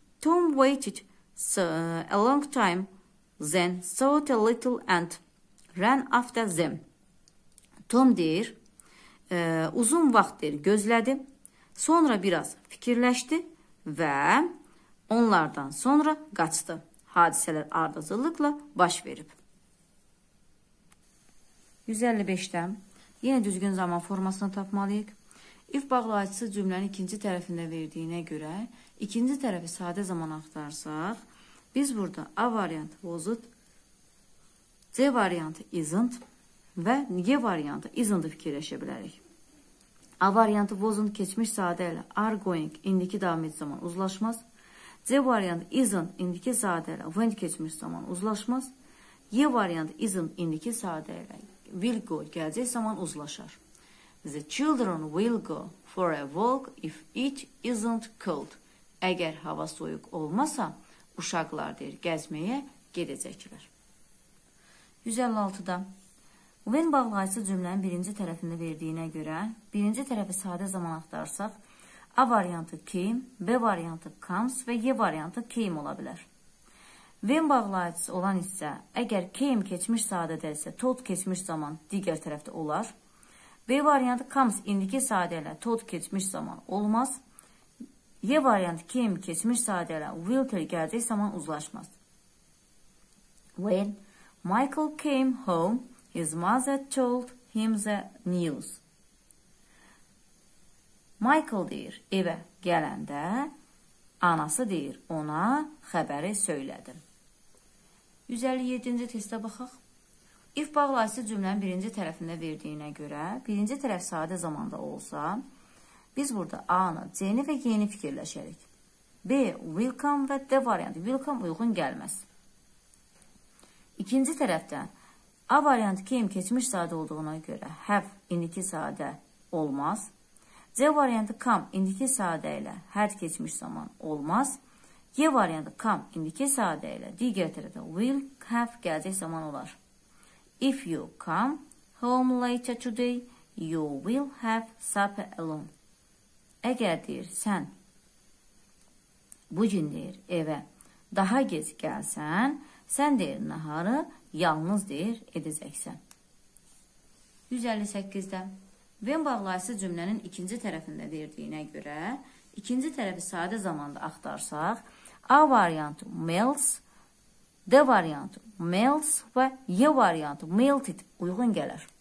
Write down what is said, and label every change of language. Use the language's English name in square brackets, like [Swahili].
[English] Tom waited a long time, then thought a little and ran after them. [Azerbaijani] Tom deyir, uzun vaxt deyir, gözlədi, sonra biraz fikirləşdi və onlardan sonra qaçdı. hadiseler ardıcıllıkla baş verib. 155-də yenə düzgün zaman formasını tapmalıyıq. If bağlayıcısı cümlənin ikinci tərəfində verdiyinə görə, ikinci tərəfi sadə zaman axtarsaq, biz burada A variantı wasn't, C variantı isn't və G variantı isn't fikirləşə bilərik. A variantı wasn't keçmiş sadə ilə [English] are going [Azerbaijani] indiki davam edici zaman uzlaşmaz. C variantı isn't indiki sadə ilə went keçmiş zaman uzlaşmaz. Y variantı isn't indiki sadə ilə [English] will go [Azerbaijani] gələcək zaman uzlaşar. [English] The children will go for a walk if it isn't cold. [Azerbaijani] Əgər hava soyuq olmasa, uşaqlar deyir, gəzməyə gedəcəklər. 156-da when bağlayıcı cümlənin birinci tərəfində verdiyinə görə, birinci tərəfi sadə zaman axtarsaq, A variantı came, B variantı comes və Y variantı came ola bilər. When bağlayıcısı olan isə, əgər came keçmiş sadə dəlsə, told keçmiş zaman digər tərəfdə olar. B variantı comes indiki sadə ilə told keçmiş zaman olmaz. Y variantı came keçmiş sadə ilə [English] will tell [Azerbaijani] gələcək zaman uzlaşmaz. [English] When Michael came home, his mother told him the news. [Azerbaijani] Michael deyir, evə gələndə anası deyir, ona xəbəri söylədi. 157-ci testə baxaq. If bağlayıcı cümlənin birinci tərəfində verdiyinə görə, birinci tərəf sadə zamanda olsa, biz burada A-nı, C-ni və Y-ni fikirləşərik. B, [English] will come [Azerbaijani] və D variantı, will come uyğun gəlməz. İkinci tərəfdə A variantı came keçmiş sadə olduğuna görə have indiki sadə olmaz. C variantı come indiki sadə ilə had keçmiş zaman olmaz. Y variantı come indiki sadə ilə digər tərəfdə [English] will have [Azerbaijani] gələcək zaman olar. [English] If you come home later today, you will have supper alone. [Azerbaijani] Əgər deyir, sən bugün deyir, evə daha gec gəlsən, sən deyir, naharı yalnız deyir, edəcəksən. 158-də when bağlayıcı cümlənin ikinci tərəfində verdiyinə görə, ikinci tərəfi sadə zamanda axtarsaq, A variantı melts, D variantı melts və Y variantı melted uyğun gələr.